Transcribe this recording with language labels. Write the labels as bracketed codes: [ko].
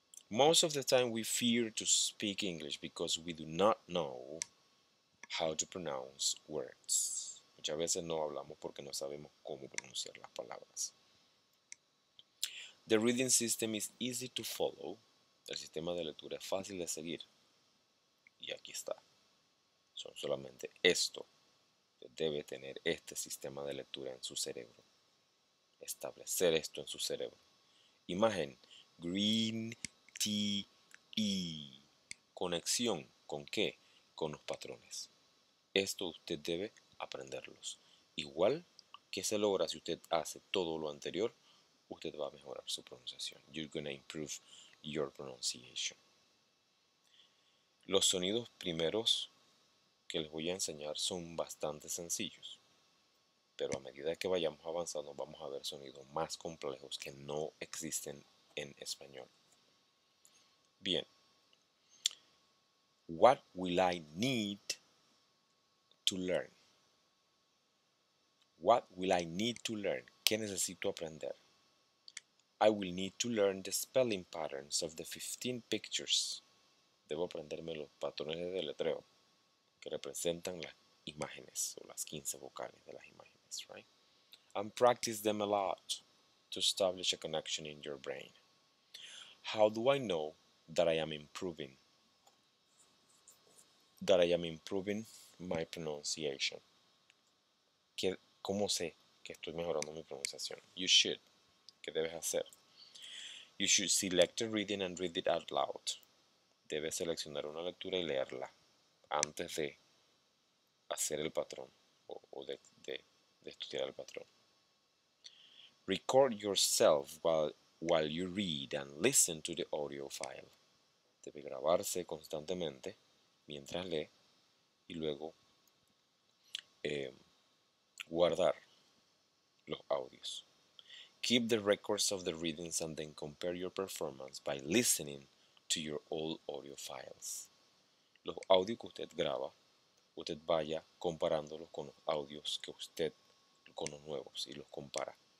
[en] Most of the time we fear to speak English because we do not know how to pronounce words. [es] Muchas veces no hablamos porque no sabemos cómo pronunciar las palabras. [en] The reading system is easy to follow. [es] El sistema de lectura es fácil de seguir. Y aquí está. Son solamente esto. Debe tener este sistema de lectura en su cerebro. Establecer esto en su cerebro. Imagen. Green T-E. Conexión. ¿Con qué? Con los patrones. Esto usted debe aprenderlos. Igual que se logra si usted hace todo lo anterior, usted va a mejorar su pronunciación. [en] You're going to improve your pronunciation. [es] Los sonidos primeros que les voy a enseñar son bastante sencillos, pero a medida que vayamos avanzando vamos a ver sonidos más complejos que no existen en español. Bien. [en] What will I need to learn? What will I need to learn? [es] ¿Qué necesito aprender? [en] I will need to learn the spelling patterns of the 15 pictures [es] Debo aprenderme los patrones de deletreo que representan las imágenes o las 15 vocales de las imágenes, right? [en] And practice them a lot to establish a connection in your brain. How do I know that I am improving? That I am improving my pronunciation. [es] ¿Cómo sé que estoy mejorando mi pronunciación? [en] You should. [es] ¿Qué debes hacer? [en] You should select a reading and read it out loud. [es] Debes seleccionar una lectura y leerla antes de hacer el patrón o de estudiar el patrón. [en] Record yourself while you read and listen to the audio file. [es] Debe grabarse constantemente mientras lee y luego guardar los audios. [en] Keep the records of the readings and then compare your performance by listening to your old audio files. [es] Los audios que usted graba, usted vaya comparándolos con los audios que usted, con los nuevos, y los compara.